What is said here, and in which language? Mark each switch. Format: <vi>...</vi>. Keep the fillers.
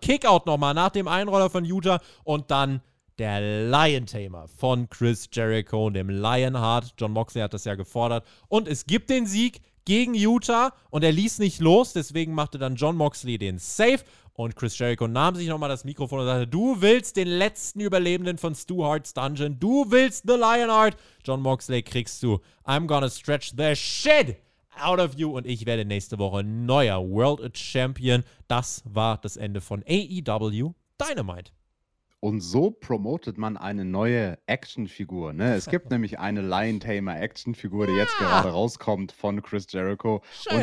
<de>Kickout nochmal nach dem Einroller von Utah und dann der Lion Tamer von Chris Jericho, dem Lionheart. John Moxley hat das ja gefordert. Und es gibt den Sieg gegen Utah und er ließ nicht los. Deswegen machte dann John Moxley den Safe. Und Chris Jericho nahm sich nochmal das Mikrofon und sagte: Du willst den letzten Überlebenden von Stu Hart's Dungeon. Du willst The Lionheart. John Moxley kriegst du.</de> <en>I'm gonna stretch the shit out of you.</en> <de>Und ich werde nächste Woche neuer World Champion. Das war das Ende von AEW Dynamite. Und so promotet man eine neue Actionfigur. Ne? Es gibt nämlich eine Lion Tamer Actionfigur, die jetzt gerade rauskommt von Chris Jericho. Schön.</de>